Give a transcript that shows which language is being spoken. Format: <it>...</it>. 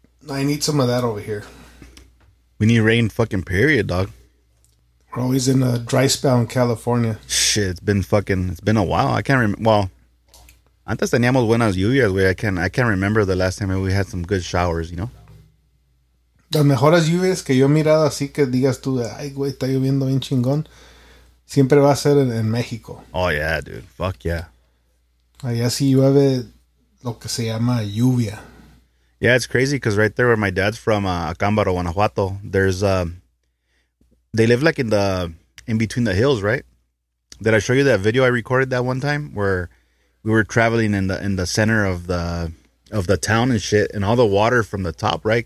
<en>I need some of that over here. We need rain fucking period, dog. We're always in a dry spell in California. Shit, it's been a while. I can't remember. Well,</en> <es>antes teníamos buenas lluvias, güey.</es> <en>I can't remember the last time we had some good showers, you know?</en> <es>Las mejores lluvias que yo he mirado así que digas tú, ay, güey, está lloviendo bien chingón, siempre va a ser en México.</es> <en>Oh, yeah, dude. Fuck, yeah.</en> <es>Allá sí llueve lo que se llama lluvia.</es> <en>Yeah, it's crazy because right there where my dad's from, Acámbaro, Guanajuato, there's, they live like in between the hills, right? Did I show you that video I recorded that one time where we were traveling in the center of the town and shit and all the water from the top, right?</en>